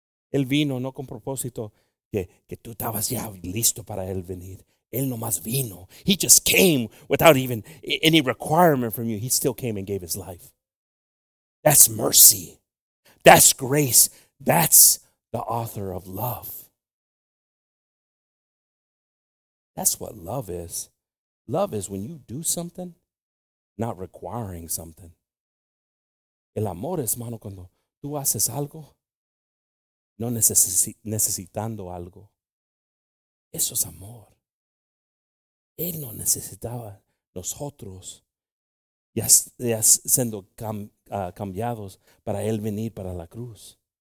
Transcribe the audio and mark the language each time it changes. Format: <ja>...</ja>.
<es>Él vino no con propósito que tú estabas ya listo para él venir. Él nomás vino.</es> <en>He just came without even any requirement from you. He still came and gave his life. That's mercy. That's grace. That's the author of love. That's what love is. Love is when you do something, not requiring something.</en> <es>El amor es, mano, cuando tú haces algo, no necesitando algo. Eso es amor. Él no necesitaba nosotros ya siendo cambiados para Él venir para la cruz.</es>